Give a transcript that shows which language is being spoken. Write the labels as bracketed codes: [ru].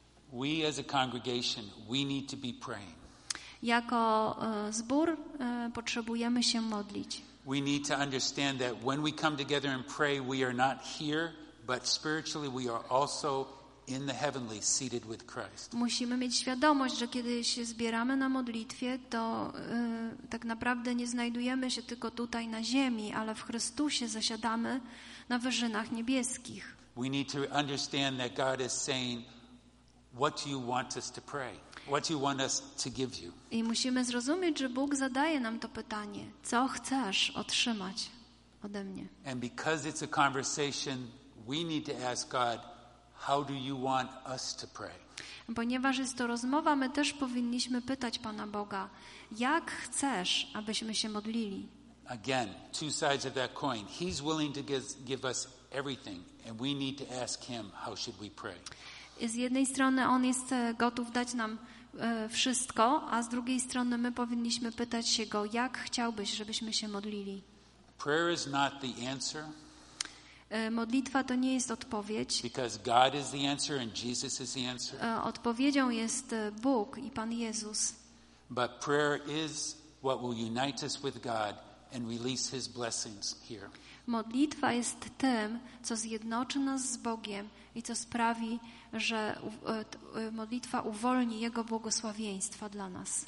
[en] We as a congregation, we need to be praying. [pl] Jako zbór potrzebujemy się modlić. [en] We need to understand that when we come together and pray, we are not here, but spiritually we are also in the heavenly, seated with Christ. [pl] Musimy mieć świadomość, że kiedy się zbieramy na modlitwie, to tak naprawdę nie znajdujemy się tylko tutaj na ziemi, ale w Chrystusie zasiadamy na wyżynach niebieskich. [en] We need to understand that God is saying, what do you want us to pray? What do you want us to give you? [pl] I musimy zrozumieć, że Bóg zadaje nam to pytanie, co chcesz otrzymać ode mnie? [en] And because it's a conversation, we need to ask God, how do you want us to pray? [pl] Ponieważ jest to rozmowa, my też powinniśmy pytać Pana Boga, jak chcesz, abyśmy się modlili? [en] Again, two sides of that coin. He's willing to give us everything, and we need to ask him, how should we pray? [pl] Z jednej strony on jest gotów dać nam wszystko, a z drugiej strony my powinniśmy pytać się go, jak chciałbyś, żebyśmy się modlili? [en] Prayer is not the answer. [pl] Modlitwa to nie jest odpowiedź. [en] Because God is the answer and Jesus is the answer. [pl] Odpowiedzią jest Bóg i Pan Jezus. [en] But prayer is what will unite us with God and release his blessings here. [pl] Modlitwa jest tym, co zjednoczy nas z Bogiem i co sprawi, że modlitwa uwolni Jego błogosławieństwa dla nas.